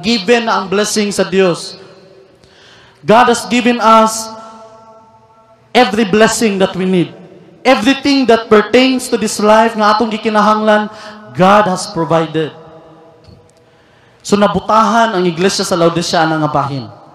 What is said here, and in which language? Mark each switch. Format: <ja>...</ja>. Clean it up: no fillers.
<ceb>Given na ang blessing sa Dios.</ceb> <en>God has given us every blessing that we need. Everything that pertains to this life</en> <ceb>na atong gikinahanglan,</ceb> <en>God has provided.</en> <ceb>So nabutahan ang iglesia sa Laodicea ng abahin.</ceb>